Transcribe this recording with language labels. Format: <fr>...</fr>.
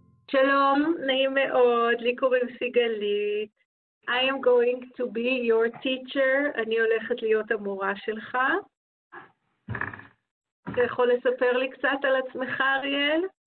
<he>שלום, נעים מאוד, לי קוראים סיגלית.</he> <en>I am going to be your teacher,</en> <he>אני הולכת להיות המורה שלך. אתה יכול לספר לי קצת על עצמך, אריאל?</he>